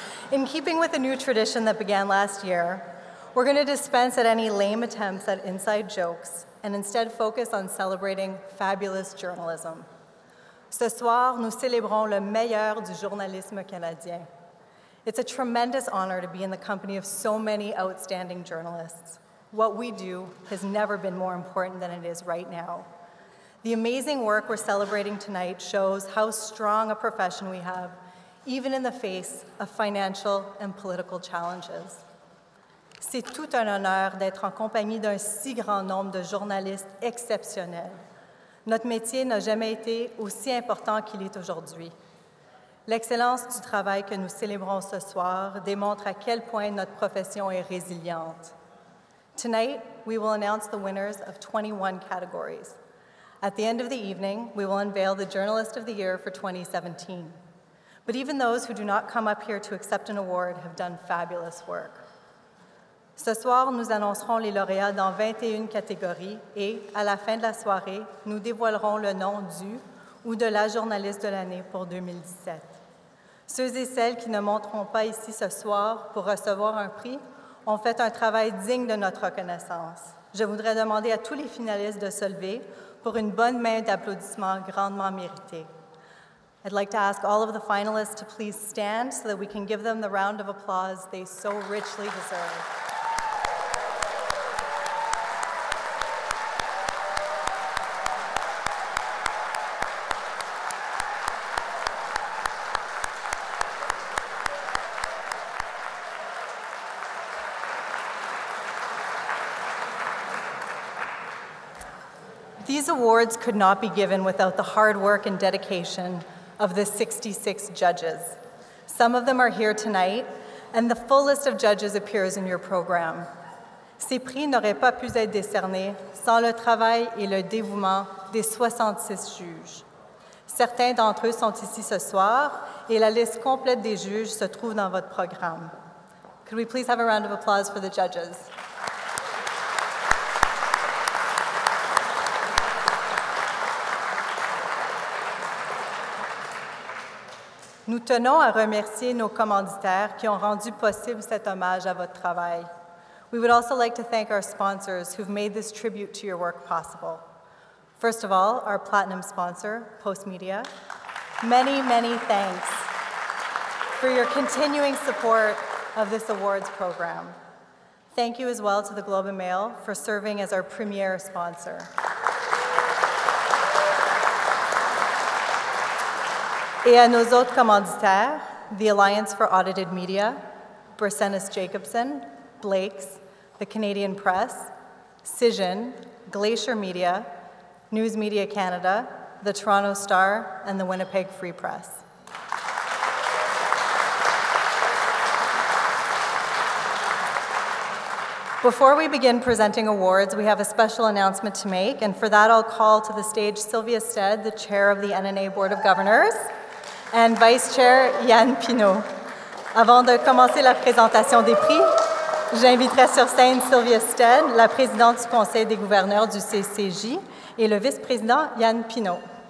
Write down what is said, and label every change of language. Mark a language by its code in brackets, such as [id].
[en] In keeping with a new tradition that began last year, we're going to dispense at any lame attempts at inside jokes and instead focus on celebrating fabulous journalism. [fr] Ce soir, nous célébrons le meilleur du journalisme canadien. [en] It's a tremendous honor to be in the company of so many outstanding journalists. What we do has never been more important than it is right now. The amazing work we're celebrating tonight shows how strong a profession we have, even in the face of financial and political challenges. [fr] C'est tout un honneur d'être en compagnie d'un si grand nombre de journalistes exceptionnels. Notre métier n'a jamais été aussi important qu'il est aujourd'hui. L'excellence du travail que nous célébrons ce soir démontre à quel point notre profession est résiliente. [en] Tonight, we will announce the winners of 21 categories. At the end of the evening, we will unveil the Journalist of the Year for 2017. But even those who do not come up here to accept an award have done fabulous work. [fr] Ce soir, nous annoncerons les lauréats dans 21 catégories et, à la fin de la soirée, nous dévoilerons le nom du ou de la journaliste de l'année pour 2017. Ceux et celles qui ne monteront pas ici ce soir pour recevoir un prix ont fait un travail digne de notre reconnaissance. Je voudrais demander à tous les finalistes de se lever pour une bonne main d'applaudissements grandement méritée. [en] I'd like to ask all of the finalists to please stand so that we can give them the round of applause they so richly deserve. These awards could not be given without the hard work and dedication of the 66 judges. Some of them are here tonight, and the full list of judges appears in your program. [fr] Ces prix n'auraient pas pu être décernés sans le travail et le dévouement des 66 juges. Certains d'entre eux sont ici ce soir, et la liste complète des juges se trouve dans votre programme. [en] Could we please have a round of applause for the judges? [fr] Nous tenons à remercier nos commanditaires qui ont rendu possible cet hommage à votre travail. [en] We would also like to thank our sponsors who've made this tribute to your work possible. First of all, our platinum sponsor, Post Media. Many, many thanks for your continuing support of this awards program. Thank you as well to the Globe and Mail for serving as our premier sponsor. [fr] Et à nos autres commanditaires, the Alliance for Audited Media, Brissenis Jacobson, Blake's, the Canadian Press, Cision, Glacier Media, News Media Canada, the Toronto Star, and the Winnipeg Free Press. [en] Before we begin presenting awards, we have a special announcement to make, and for that I'll call to the stage Sylvia Stead, the chair of the NNA Board of Governors, and Vice-Chair Yann Pinault. [fr] Avant de commencer la présentation des prix, j'inviterai sur scène Sylvia Stead, la présidente du Conseil des gouverneurs du CCJ, et le vice-président Yann Pinault.